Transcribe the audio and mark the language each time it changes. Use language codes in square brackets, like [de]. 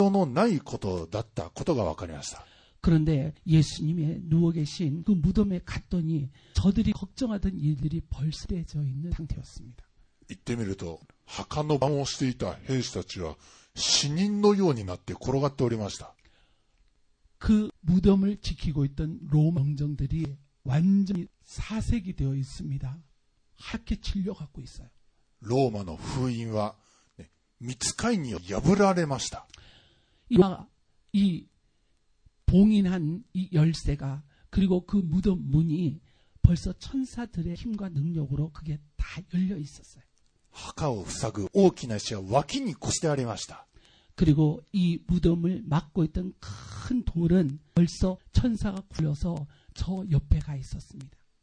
[ja] 彼女たちが墓に行ってみるとですね彼女たちが心配していたことは全くもってちっぽけな全く心配する人のないことだったことが分かりました. [ko] 그런데 예수님의 누워 계신 그 무덤에 갔더니 저들이 걱정하던 일들이 벌써 있는 상태였습니다. [ja] 行ってみると墓の番をしていた兵士たちは死人のようになって転がっておりました. [ko] 그 무덤을 지키고 있던 로마 병정들이 완전히 사색이 되어 있습니다. 하얗게 질려 갖고 있어요. [ja] 로마의 후인화 미츠카이니 破られました. [ko] 이 봉인한 이 열쇠가 그리고 그 무덤 문이 벌써 천사들의 힘과 능력으로 그게 다 열려 있었어요. [ja] 墓を塞ぐ大きな石は脇に越してありました. [ko] 그리고 이 무덤을 막고 있던 큰 돌은 벌써 천사가 굴려서 저 옆에 가 있었습니다.